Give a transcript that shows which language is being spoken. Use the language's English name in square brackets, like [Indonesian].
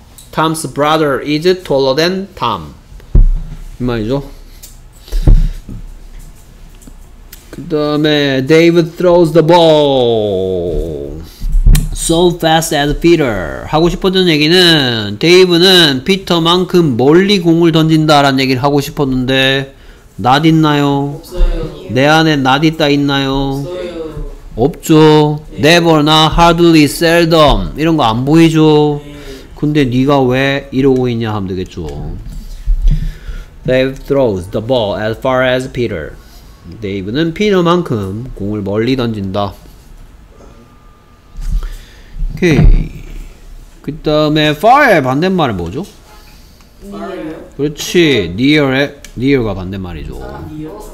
[English] Tom's brother is taller than Tom. [Korean] 이 말이죠. 다음에 [English] David throws the ball so fast as Peter. [Korean] 하고 싶었던 얘기는 데이브는 피터만큼 멀리 공을 던진다라는 얘기를 하고 싶었는데 낫 있나요? 없어요. 내 안에 낫 있다 있나요? 없어요. 없죠. 네. Never, not, hardly, seldom 이런 거 안 보이죠. 네. 근데 네가 왜 이러고 있냐 하면 되겠죠. [English] Dave throws the ball as far as Peter. [Korean] 데이브는 피터만큼 공을 멀리 던진다. 오케이. 그 다음에 far의 반대말은 뭐죠? [English] near. [Korean] 그렇지. near의 near가 반대말이죠. [English] 아, near.